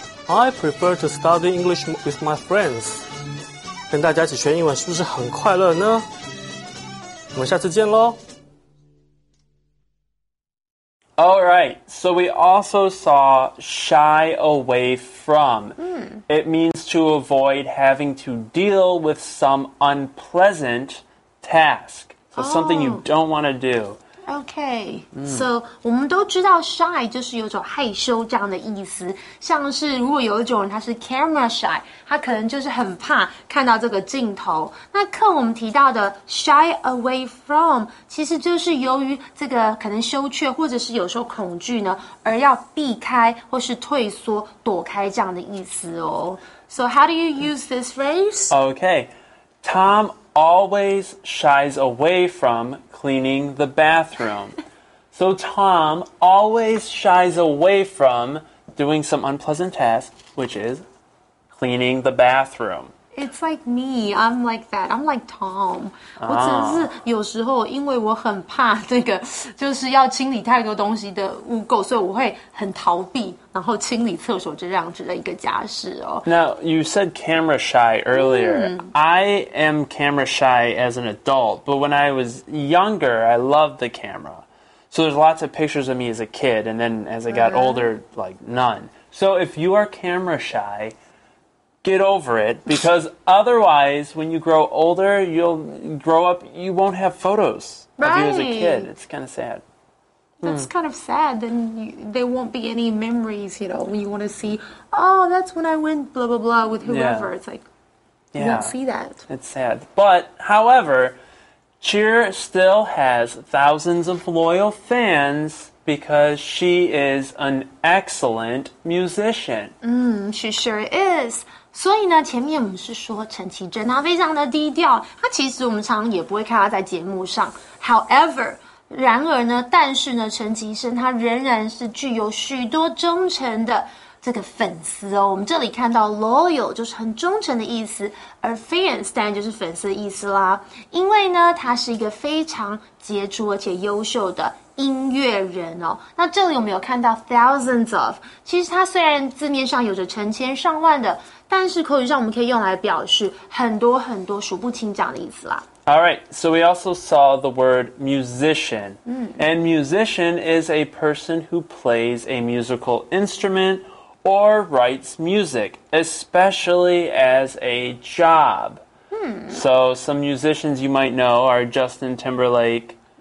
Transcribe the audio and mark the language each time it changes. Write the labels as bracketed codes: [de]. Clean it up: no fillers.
[en] I prefer to study English with my friends。 [zh] 跟大家一起学英文是不是很快乐呢？我们下次见咯。 [en] Alright, so we also saw shy away from. It means to avoid having to deal with some unpleasant task. So something you don't want to do. Okay,、so [zh] 我们都知道 shy 就是有种害羞这样的意思，像是如果有一种人他是 camera shy， 他可能就是很怕看到这个镜头。那课我们提到的 shy away from 其实就是由于这个可能羞怯或者是有时候恐惧呢而要避开或是退缩躲开这样的意思哦。 [en] So how do you use this phrase? Okay, Tom always shies away from cleaning the bathroom. So Tom always shies away from doing some unpleasant task, which is cleaning the bathroom. It's like me. I'm like that. I'm like Tom. [zh] 我只是有时候因为我很怕这个就是要清理太多东西的污垢，所以我会很逃避然后清理厕所这样子的一个家事哦。 [en] Now, you said camera shy earlier. I am camera shy as an adult, but when I was younger, I loved the camera. So there's lots of pictures of me as a kid, and then as I got older, like none. So if you are camera shy, get over it, because otherwise, when you grow older, you'll grow up, you won't have photos of you as a kid. It's kind of sad. That's kind of sad. Then there won't be any memories, you know, when you want to see, oh, that's when I went blah, blah, blah with whoever. Yeah. It's like, you won't see that. It's sad. But, however, Cheer still has thousands of loyal fans because she is an excellent musician. She sure is. [zh] 所以呢前面我们是说陈绮贞她非常的低调，她其实我们常常也不会看她在节目上。 However, 然而呢但是呢陈绮贞她仍然是具有许多忠诚的这个粉丝哦。我们这里看到 loyal 就是很忠诚的意思，而 fans 当然就是粉丝的意思啦。因为呢她是一个非常杰出而且优秀的音乐人哦。那这里有没有看到 thousands of， 其实他虽然字面上有着成千上万的，但是口语上我们可以用来表示很多很多数不清这样的意思啦。 [en] Alright, so we also saw the word musician、and musician is a person who plays a musical instrument or writes music, especially as a job、So some musicians you might know are Justin Timberlake